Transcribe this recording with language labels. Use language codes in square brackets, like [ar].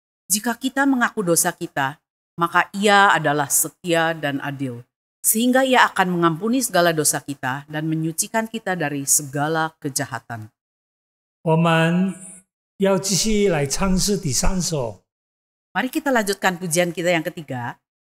[ms] Jika kita mengaku dosa kita, maka Ia adalah setia dan adil, sehingga Ia akan mengampuni segala dosa kita dan menyucikan kita dari segala kejahatan. [zh] 我们要继续来唱诗第三首。 [ms] Mari kita lanjutkan pujian kita yang ketiga.